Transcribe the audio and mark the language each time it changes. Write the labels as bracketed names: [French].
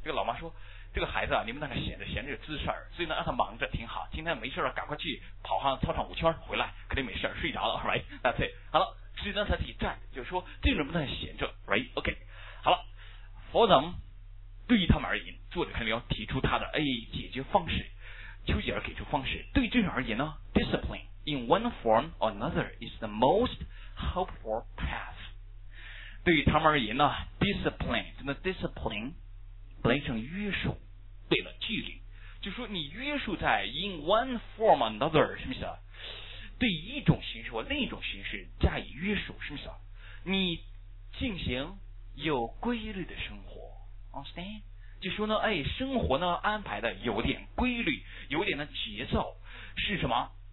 [Chinese] 这个老妈说，这个孩子啊，你们那个闲着滋事儿，所以呢，让他忙着挺好。今天没事了，赶快去跑上操场5圈，回来肯定没事儿，睡着了 ，right？那对，好了，只能他自己站着，就是说这个人不能闲着 ，right？ OK。好了 ， for them，对于他们而言，作者看到没有提出他的 A 解决方式，丘吉尔给出方式。 [English] 对于这种而言呢，discipline in one form or another is the most hopeful path。 [Chinese] 对于他们而言呢 discipline 真的 discipline 本来成约束对了纪律就说你约束在 in one form or another 是不是对一种形式或另一种形式加以约束是不是你进行有规律的生活 understand 就说呢哎，生活呢安排的有点规律有点的节奏是什么